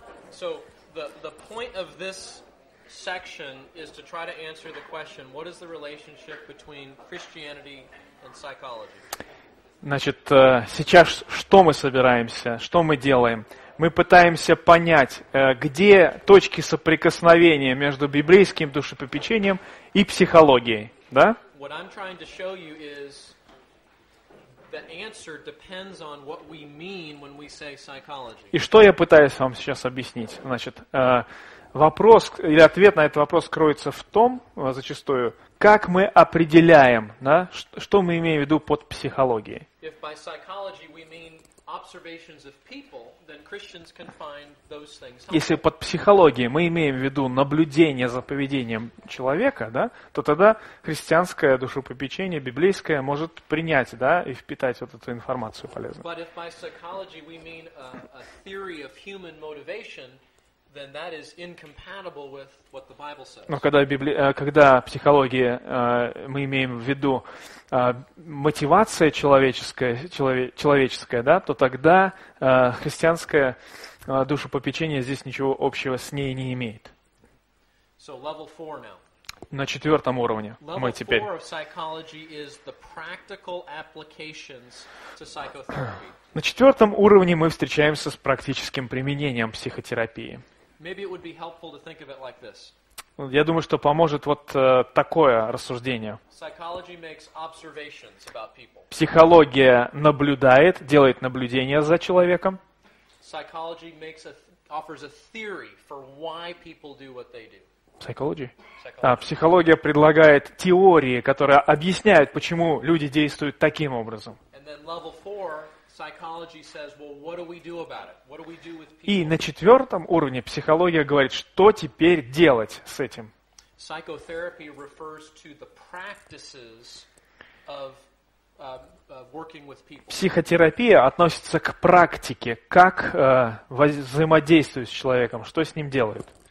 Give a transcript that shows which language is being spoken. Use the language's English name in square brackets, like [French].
[English] So the point of this section is to try to answer the question, what is the relationship between Christianity and psychology? [Russian] Значит, сейчас что мы собираемся, что мы делаем? Мы пытаемся понять, где точки соприкосновения между библейским душепопечением и психологией, да? [English] What I'm trying to show you is the answer depends on what we mean when we say psychology. [Russian] И что я пытаюсь вам сейчас объяснить? Значит, вопрос или ответ на этот вопрос кроется в том, зачастую, как мы определяем, да, что мы имеем в виду под психологией. [English] If by psychology we mean observations of people, then Christians can find those things. [Russian] Если под психологией мы имеем в виду наблюдение за поведением человека, да, то тогда христианское душепопечение, библейское, может принять, да, и впитать вот эту информацию полезную. [English] But if by psychology we mean a theory of human motivation, then that is incompatible with what the Bible says. [Russian] Но когда когда психология, мы имеем в виду мотивация человеческая, человеческая, да, то тогда христианское душепопечение здесь ничего общего с ней не имеет. [English] So level four now. [Russian] На четвертом уровне мы теперь. [English] Level 4 of psychology is the practical applications to psychotherapy. [Russian] На четвертом уровне мы встречаемся с практическим применением психотерапии. [English] Maybe it would be helpful to think of it like this. [Russian] Я думаю, что поможет вот такое рассуждение. [English] Psychology makes observations about people. [Russian] Психология наблюдает, делает наблюдения за человеком. [English] Psychology makes offers a theory for why people do what they do. Psychology? [Russian] Да, психология предлагает теории, которые объясняют, почему люди действуют таким образом. [English] And then level four. Psychology says, well, what do we do about it? What do we do with people? [Russian] И на четвертом уровне психология говорит, что теперь делать с этим. [English] Psychotherapy refers to the practices of working with people. [Russian] Психотерапия относится к практике, как взаимодействовать с человеком, что с ним делают.